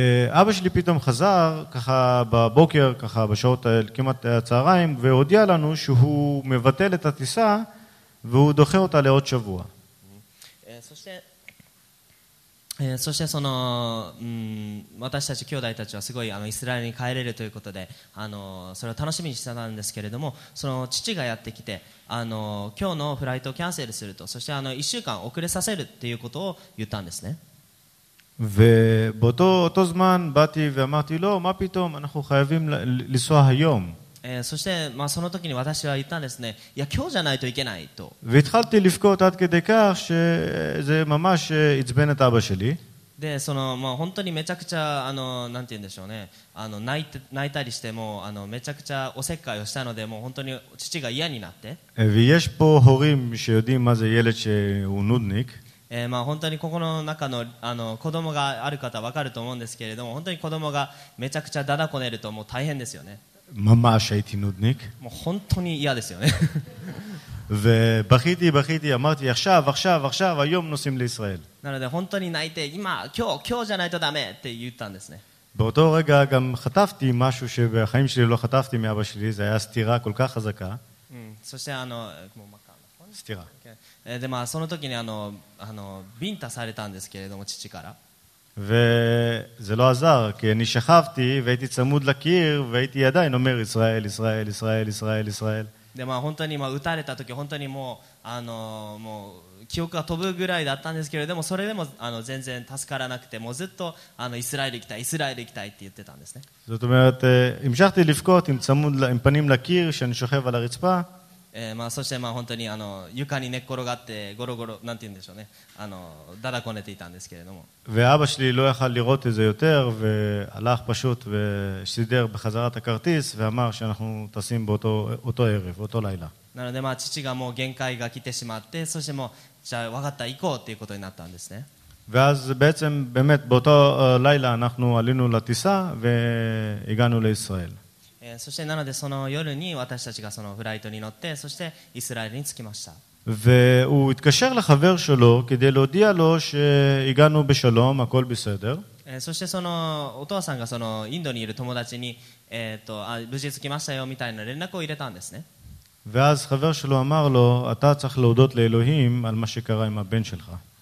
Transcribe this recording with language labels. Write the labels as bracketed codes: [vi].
[he] אבא שלי פתאום חזר ככה בבוקר, ככה בשעות האלה, כמעט הצהריים, והודיע לנו שהוא מבטל את הטיסה והוא דוחה אותה לעוד שבוע. [ja] そしてその、私たち兄弟たちはすごいイスラエルに帰れるということで、それを楽しみにしてたんですけれども、その父がやってきて、今日のフライトをキャンセルすると、そして1週間遅れさせるということを言ったんですね。 [he] ובאותו אותו זמן באתי ואמרתי לו, מה פתאום, אנחנו חייבים לנסוע היום. [ja] そして、まあ、その時に私は言ったんですね、いや今日じゃないといけないと。 [he] והתחלתי לבכות עד כדי כך שזה ממש עצבן את אבא שלי. [ja] でそのまあ本当にめちゃくちゃあのなんて言うんでしょうねあの泣いたりしてもあのめちゃくちゃおせっかいをしたのでもう本当に父が嫌になって。 [he] ויש פה הורים שיודעים מה זה ילד שהוא נודניק. [ja] まあ本当にここの中のあの子供がある方わかると思うんですけれども本当に子供がめちゃくちゃだだこねるともう大変ですよね。 [he] ממש הייתי נודניק. [ja] もう本当に嫌ですよね。 [he] ובכיתי, בכיתי, אמרתי, עכשיו, עכשיו, עכשיו, היום נוסעים לישראל. [ja] なので本当に泣いて今今日今日じゃないとダメって言ったんですね。 [he] באותו רגע גם חטפתי משהו שבחיים שלי לא חטפתי מאבא שלי, זה היה סתירה כל כך חזקה. [ja] そしてあのもうまか [he] סתירה. [ja] でまあその時にあのビンタされたんですけれども父から。 [he] וזה לא עזר, כי אני שכבתי והייתי צמוד לקיר והייתי עדיין אומר ישראל, ישראל, ישראל, ישראל, ישראל. [ja] でまあ本当にまあ打たれた時本当にもうもう記憶が飛ぶぐらいだったんですけれどもそれでもあの全然助からなくてもうずっとあのイスラエル行きたいイスラエル行きたいって言ってたんですね。 [he] זאת אומרת, המשכתי לבכות עם צמוד, עם פנים לקיר שאני שוכב על הרצפה. [ja] まあそしてまあ本当にあの床に寝っ転がってゴロゴロなんて言うんでしょうねあのだだこねていたんですけれども。 [he] ואבא שלי לא יכל לראות את זה יותר והלך פשוט ושידר בחזרת הכרטיס ואמר שאנחנו טסים באותו אותו ערב אותו לילה. [ja] なのでまあ父がもう限界が来てしまってそしてもうじゃあ分かった行こうということになったんですね。 [he] ואז בעצם באמת באותו לילה אנחנו עלינו לטיסה והגענו לישראל. [ja] そしてなのでその夜に私たちがそのフライトに乗ってそしてイスラエルに着きました。 [he] והוא התקשר לחבר שלו כדי להודיע לו שהגענו בשלום, הכל בסדר. [ja] そしてそのお父さんがそのインドにいる友達に無事着きましたよみたいな連絡を入れたんですね。 [he] ואז חבר שלו אמר לו, אתה צריך להודות לאלוהים על מה שקרה עם הבן שלך.